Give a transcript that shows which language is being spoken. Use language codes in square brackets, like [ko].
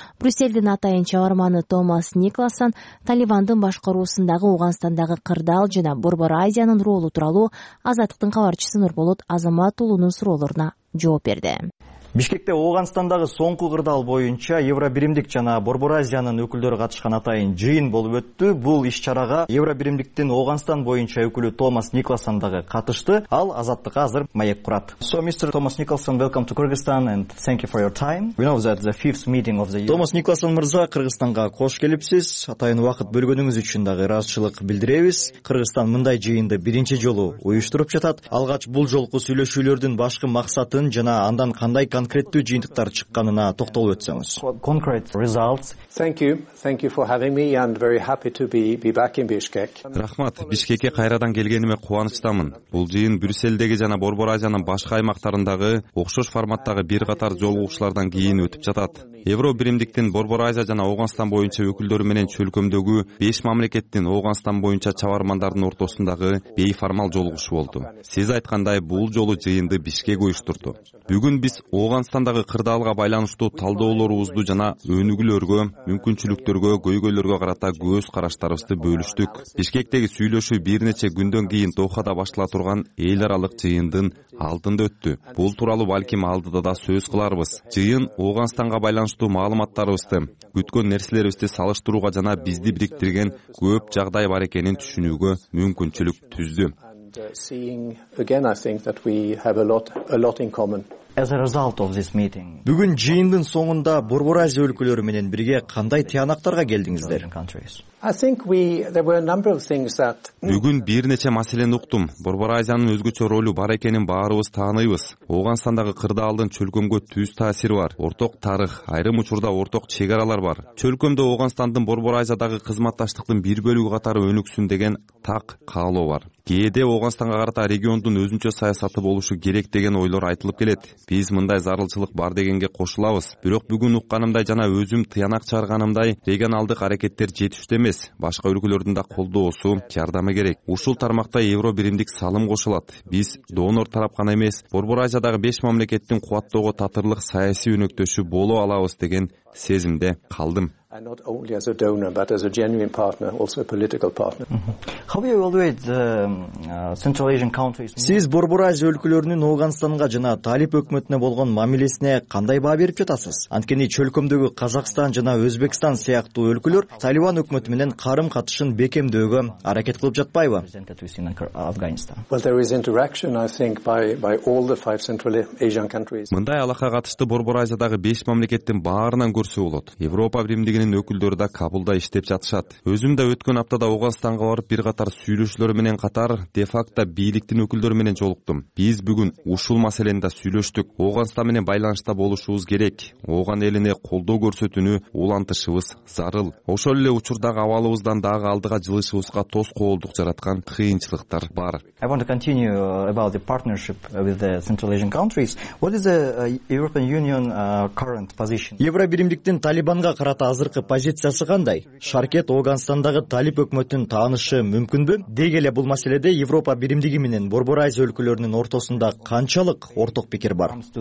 [ky] Брюсселдин атайын чабарманы Томас Никласан Талибандын башкаруусундагы Ооганстандагы кырдаал жана Борбор Азиянын ролу тууралуу Азаттыктын кабарчысы Нурболот Азамат уулунун суроолоруна жооп берди. Бишкекте Ооганстандагы соңку кырдаал боюнча Евробиримдик жана Борбор Азиянын өкүлдөрү катышкан атайын жыйын болуп өттү. Бул иш чарага Евробиримдиктин Ооганстан боюнча өкүлү Томас Никласан дагы катышты. Ал азаттыкка азыр маек курат. [en] So Mr. Thomas Nicholson, welcome to Kyrgyzstan and thank you for your time. We know that the fifth meeting of the year. [ky] Томас Никласан мырза, Кыргызстанга кош келипсиз. Атайын убакыт бөлгөнүңүз үчүн дагы ыраазычылык билдиребиз. Кыргызстан мындай жыйынды биринчи жолу уюштуруп жатат. Алгач бул жолку сүйлөшүүлөрдүн башкы максатын жана андан кандай конкреттүү жыйынтыктар чыкканына токтолуп өтсөңүз. [en] Concrete results. Thank you for having me. I'm very happy to be back in Bishkek. [ky] Рахмат, Бишкекке кайрадан келгениме кубанычтамын. Бул жыйын Брюссельдеги жана Борбор Азиянын башка аймактарындагы окшош форматтагы бир катар жолугушуулардан кийин өтүп жатат. Евробиримдиктин Борбор Азия жана Ооганстан боюнча өкүлдөрү менен чөлкөмдөгү 5 мамлекеттин Ооганстан боюнча чабармандардын ортосундагы бейформал жолугушуу болду. Сиз айткандай, бул жолу жыйынды Бишкек уюштурду. Бүгүн биз Оогонстандагы кырдаалга байланыштуу талдоолорубузду жана өнүгүүлөргө, мүмкүнчүлүктөргө, көйгөйлөргө карата көз караштарыбызды бөлүштүк. Бишкектеги сүйлөшүү бир нече күндөн кийин Дохада башкарыла турган эл аралык жыйындын алдында өттү. Бул тууралуу балким алдыда да сөз кыларбыз. Жыйын Ооганстанга байланыштуу маалыматтарыбызды, күткөн нерселерибизди салыштырууга жана бизди бириктирген көп жагдай бар экенин түшүнүүгө мүмкүнчүлүк түздү. [en] Seeing again, I think that we have a lot in common. As a result of this meeting. [ky] Бүгүн жыйындын соңунда Борбор Азия өлкөлөрү менен бирге кандай тыянактарга келдиңиздер? Бүгүн бир нече маселени уктум. Борбор Азиянын өзгөчө ролу бар экенин баарыбыз тааныйбыз. Ооганстандагы кырдаалдын чөлкөмгө түз таасири бар. Орток тарых, айрым учурда орток чек аралар бар. Чөлкөмдө Оогонстандын Борбор Азиядагы кызматташтыктын бир бөлүгү катары өнүксүн деген так каалоо бар. Кээде Ооганстанга карата региондун өзүнчө саясаты болушу керек деген ойлор айтылып келет. Биз мындай зарылчылык бар дегенге кошулабыз. Бирок бүгүн укканымдай жана өзүм тыянак чыгарганымдай регионалдык аракеттер жетиштүү эмес. Башка өлкөлөрдүн да колдоосу, жардамы керек. Ушул тармакта Евробиримдик салым кошулат. Биз донор тарап гана эмес, Борбор Азиядагы 5 мамлекеттин кубаттоого татырлык саясий өнөктөшү боло алабыз деген сезимде калдым. [en] And not only as a donor but as a genuine partner, also a political partner. How do you evaluate the Central Asian countries? [ky] Сиз Борбор Азия өлкөлөрүнүн Ооганстанга жана Талип өкмөтүнө болгон мамилесине кандай баа берип жатасыз? Анткени чөлкөмдөгү Казакстан жана Өзбекстан сыяктуу өлкөлөр Талибан өкмөтү менен карым катышын бекемдөөгө аракет кылып жатпайбы? [en] Well, there is interaction I think by all the five Central Asian countries. [ky] Мындай алака катышты Борбор Азиядагы 5 мамлекеттин баарынан көрсө болот. Европа биримдигинин өкүлдөрү да Кабулда иштеп жатышат. Өзүм да өткөн аптада Ооганстанга барып, бир катар сүйлөшүүлөр менен катар де-факто бийликтин өкүлдөрү менен жолуктум. Биз бүгүн ушул маселени да сүйлөштүк. Ооганстан менен байланышта болушубуз керек. Ооган элине колдоо көрсөтүүнү улантышыбыз зарыл. Ошол эле учурдагы абалыбыздан дагы алдыга жылышыбызга тоскоолдук жараткан кыйынчылыктар бар. [en] I want to continue about the partnership with the Central Asian countries. What is the European Union current position? [ky] Евробиримдиктин Талибанга карата азыркы позициясы кандай? Шаркет Ооганстандагы Талип өкмөтүн таанышы мүмкүнбү? Деги эле бул маселеде Европа биримдиги менен Борбор Азия өлкөлөрүнүн ортосунда канчалык орток пикир бар?